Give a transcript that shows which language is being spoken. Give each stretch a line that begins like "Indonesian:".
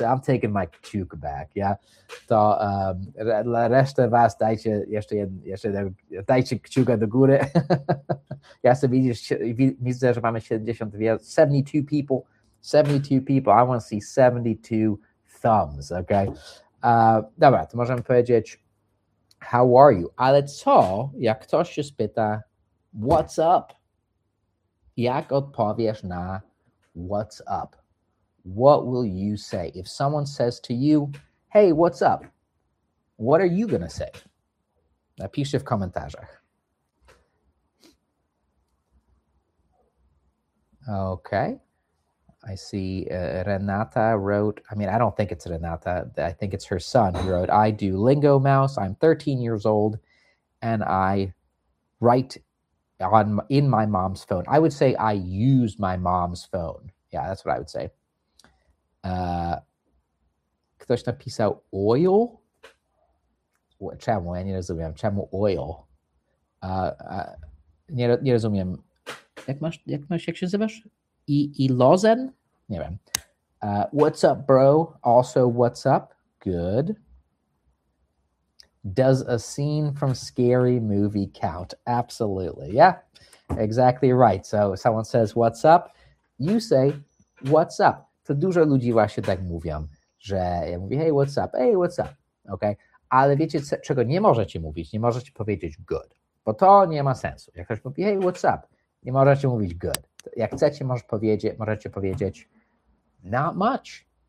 English: I'm taking my kciuka back, yeah?
Polish: To resztę was dajcie jeszcze jeden, dajcie kciuka do góry. Ja sobie widzę, że mamy 72 people.
English: I want to see 72 thumbs, okay?
Polish: Dobra, to możemy powiedzieć,
English: how are you?
Polish: Ale co, jak ktoś się spyta,
English: what's up?
Polish: Jak odpowiesz na
English: what's up? What will you say? If someone says to you, hey, what's up? What are you gonna say?
Polish: Napiszcie w komentarzach.
English: Okay. I see Renata wrote, I mean, I don't think it's Renata. I think it's her son who wrote, I do Lingo Mouse. I'm 13 years old and I write in my mom's phone. I would say I use my mom's phone. Yeah, that's what I would say.
Polish: Ktoś napisał oil? Czemu? Ja nie rozumiem. Czemu oil? Nie rozumiem. Jak się nazywasz?
English: Ilozen?
Polish: Nie wiem.
English: What's up, bro? Also, what's up? Good. Does a scene from Scary Movie count? Absolutely. Yeah, exactly right. So someone says, what's up? You say, what's up?
Polish: To dużo ludzi właśnie tak mówią, że ja mówię,
English: hey, what's up? Hey, what's up? Okay.
Polish: Ale wiecie, czego nie możecie mówić? Nie możecie powiedzieć good, bo to nie ma sensu. Jak ktoś mówi,
English: hey, what's up?
Polish: Nie możecie mówić good. Jak chcecie, możecie powiedzieć,
English: not much.